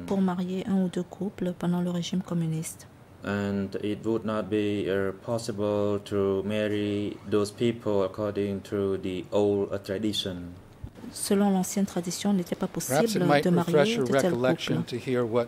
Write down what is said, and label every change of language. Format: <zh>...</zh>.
<fr>Pour marier un ou deux couples pendant le régime communiste.</fr> <en>And it would not be possible to marry those people according to the old tradition.</en> <fr>Selon l'ancienne tradition, il n'était pas possible de marier de tels couples.</fr>